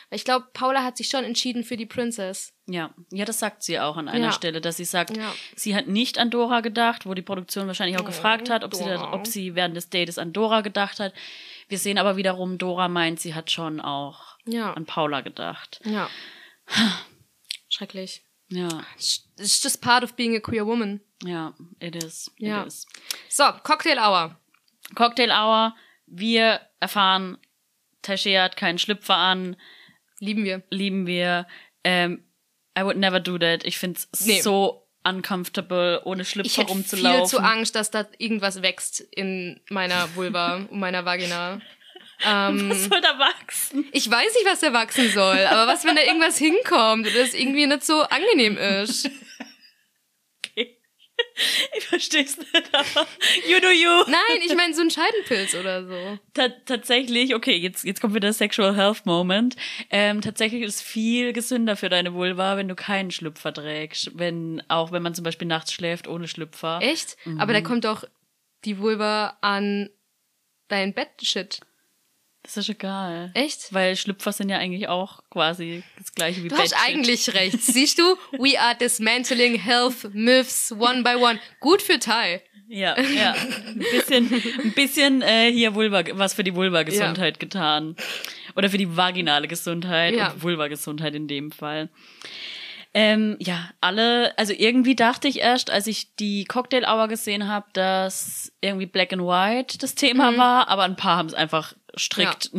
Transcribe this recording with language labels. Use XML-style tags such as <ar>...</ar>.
<de>Weil ich glaube, Paula hat sich schon entschieden für die Princess. Ja, das sagt sie auch an einer Stelle, dass sie sagt, sie hat nicht an Dora gedacht, wo die Produktion wahrscheinlich auch gefragt hat, ob sie während des Dates an Dora gedacht hat. Wir sehen aber wiederum, Dora meint, sie hat schon auch an Paula gedacht. Ja. Schrecklich. Ja.</de> <en>It's just part of being a queer woman.</en> <de>Ja,</de> <en>it is.</en> <de>Ja.</de> <en>It is. So, Cocktail Hour. Cocktail Hour.</en> <de>Wir erfahren, Tashi hat keinen Schlüpfer an. Lieben wir.</de> <en>I would never do that.</en> <de>Ich find's so uncomfortable, ohne Schlüpfer rumzulaufen. Ich hätte viel zu Angst, dass da irgendwas wächst in meiner Vulva und meiner Vagina. Was soll da wachsen? Ich weiß nicht, was da wachsen soll, aber was, wenn da irgendwas hinkommt und das irgendwie nicht so angenehm ist? Ich verstehe es nicht, aber</de> <en>you do you.</en> <de>Nein, ich meine so ein Scheidenpilz oder so. Tatsächlich, okay, jetzt kommt wieder der Sexual Health Moment. Tatsächlich ist viel gesünder für deine Vulva, wenn du keinen Schlüpfer trägst. Auch wenn man zum Beispiel nachts schläft ohne Schlüpfer. Echt? Mhm. Aber da kommt doch die Vulva an dein Bettshit. Das ist egal. Echt? Weil Schlüpfer sind ja eigentlich auch quasi das gleiche wie Bettshit. Du hast eigentlich recht. Siehst du?</de> <en>We are dismantling health myths one by one.</en> <de>Gut für Thai. Ja, ja. Ein bisschen hier Vulva, was für die Vulva-Gesundheit ja. getan. Oder für die vaginale Gesundheit ja. und Vulva-Gesundheit in dem Fall. Also irgendwie dachte ich erst, als ich die Cocktail Hour gesehen habe, dass irgendwie Black and White das Thema war, aber ein paar haben es einfach strikt ja.</de>